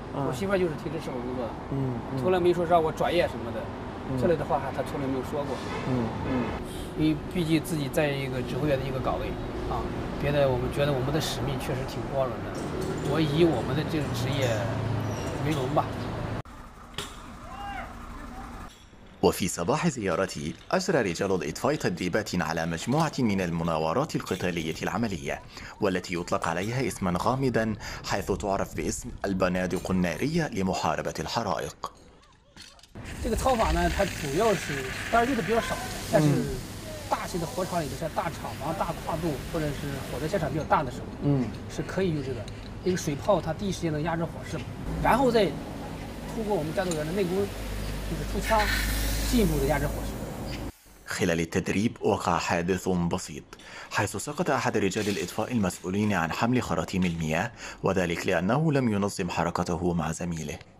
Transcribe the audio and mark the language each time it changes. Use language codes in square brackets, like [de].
[zh] 我媳妇就是停止找工作的，从来没说让我转业什么的，这类的话她从来没有说过。因为毕竟自己在一个指挥员的一个岗位，别的我们觉得我们的使命确实挺光荣的，我以我们的这个职业为荣吧。 [ar] وفي صباح زيارتي أسرى رجال الإطفاء تدريبات على مجموعة من المناورات القتالية العملية والتي يطلق عليها اسما غامضا حيث تعرف باسم البنادق النارية لمحاربة الحرائق. [zh] 这个操法呢，它主要是当然用的比较少，但是大型的火场里的，像大厂房、大跨度或者是火灾现场比较大的时候，是可以用这个，因为水炮它第一时间能压制火势，然后再通过我们战斗员的内功，就是出枪。进一步的压制火势。 [ar] خلال التدريب وقع حادث بسيط، حيث سقط أحد رجال الإطفاء المسؤولين عن حمل خراطيم المياه، وذلك لأنه لم ينظم حركته مع زميله.